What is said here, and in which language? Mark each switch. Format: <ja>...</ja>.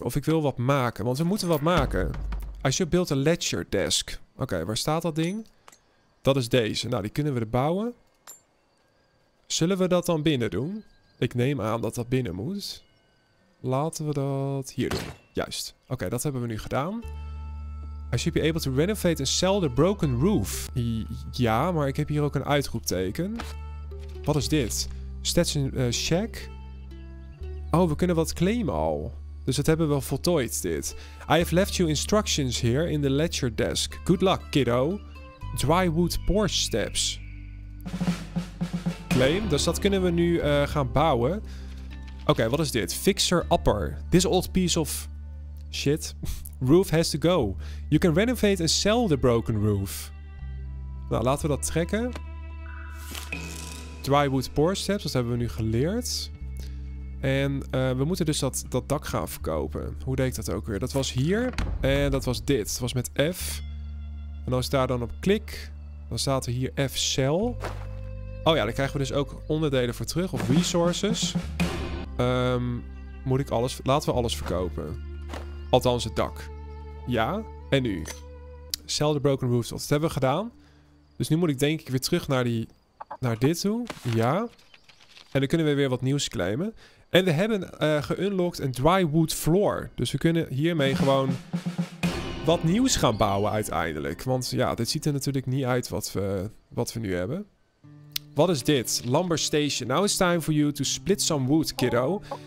<nl>Of ik wil wat maken? Want we moeten wat maken.</nl> <en>I should build a ledger desk.</en> <nl>Oké, waar staat dat ding? Dat is deze. Nou, die kunnen we er bouwen. Zullen we dat dan binnen doen? Ik neem aan dat dat binnen moet. Laten we dat hier doen. Juist. Oké, dat hebben we nu gedaan.</nl> <en>I should be able to renovate and sell the broken roof.</en> <nl>Ja, maar ik heb hier ook een uitroepteken. Wat is dit? Stats in check. Oh, we kunnen wat claimen al. Dus dat hebben we voltooid, dit.</nl> <en>I have left you instructions here in the ledger desk. Good luck, kiddo. Dry wood porch steps. Claim.</en> <nl>Dus dat kunnen we nu gaan bouwen.</nl> <en>Oké,</en> <nl>wat is dit?</nl> <en>Fixer upper. This old piece of... Shit. Roof has to go. You can renovate and sell the broken roof.</en> <nl>Nou, laten we dat trekken. Drywood porch steps, dat hebben we nu geleerd. En we moeten dus dat dak gaan verkopen. Hoe deed ik dat ook weer? Dat was hier. En dat was dit. Dat was met F. En als ik daar dan op klik, dan staat er hier F sell. Oh ja, dan krijgen we dus ook onderdelen voor terug. Of resources. Moet ik alles... Laten we alles verkopen. Althans het dak. Ja. En nu?</nl> <en>Sell the broken roof.</en> <nl>Dat hebben we gedaan. Dus nu moet ik denk ik weer terug naar die... Naar dit toe. Ja. En dan kunnen we weer wat nieuws claimen. En we hebben geunlocked een dry wood floor. Dus we kunnen hiermee gewoon wat nieuws gaan bouwen uiteindelijk. Want ja, dit ziet er natuurlijk niet uit wat we nu hebben. Wat is dit? Lumber station.</nl> <en>Now it's time for you to split some wood, kiddo.</en>